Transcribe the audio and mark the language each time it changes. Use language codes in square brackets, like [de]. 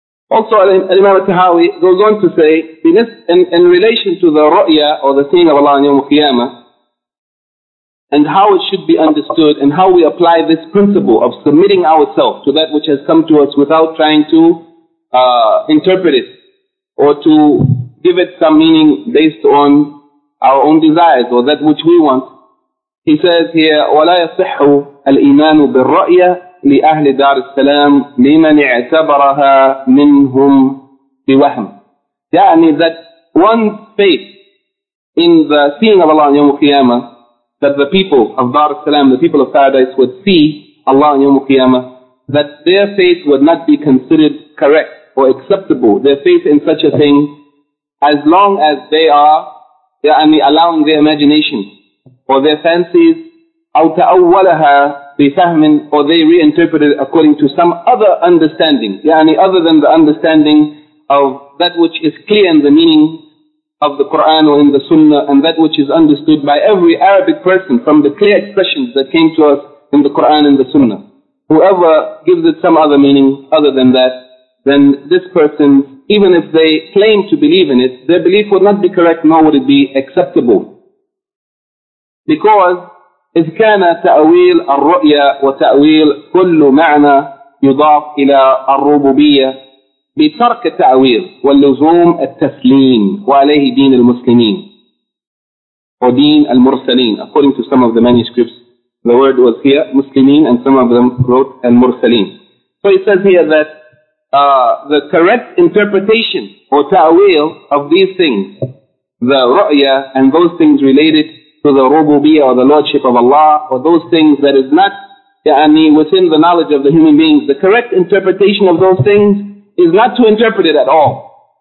[en] Also, Imam al-Tahawi goes on to say, in relation to the ru'ya or the seeing of Allah on Yawm al-Qiyamah, and how it should be understood, and how we apply this principle of submitting ourselves to that which has come to us without trying to interpret it, or to give it some meaning based on our own desires, or that which we want. He says here, [ar] وَلَا يَصِحُّ الْإِيمَانُ بِالرَّأْيَةِ لِأَهْلِ دَارِ السَّلَامِ لِمَنِ اعْتَبَرَهَا مِنْهُمْ بِوَهْمِ. [en] يعني that one's faith in the seeing of Allah on Yawm al-Qiyamah, that the people of Dar al-Salam, the people of Paradise, would see Allah on Yawm al-Qiyamah, that their faith would not be considered correct or acceptable, their faith in such a thing, as long as they are allowing their imagination or their fancies, [ar] أو تأولها بفهم, [en] or they reinterpret it according to some other understanding, other than the understanding of that which is clear in the meaning of the Qur'an or in the Sunnah, and that which is understood by every Arabic person from the clear expressions that came to us in the Qur'an and the Sunnah. Whoever gives it some other meaning other than that, then this person, even if they claim to believe in it, their belief would not be correct, nor would it be acceptable. [ar] Because, إِذْ كَانَ تَأْوِيلَ الرُّؤْيَا وَتَأْوِيلَ كُلُّ مَعْنَى يُضَافْ إِلَىٰ الرُّبُوبِيَّةِ بترك التأويل واللزوم التسليم وعليه دين المسلمين ودين المرسلين. [en] According to some of the manuscripts, the word was here مسلمين, and some of them wrote المرسلين. So it says here that the correct interpretation or تأويل of these things, the رؤية and those things related to the ربوبية or the lordship of Allah, or those things that is not within the knowledge of the human beings, the correct interpretation of those things is not to interpret it at all.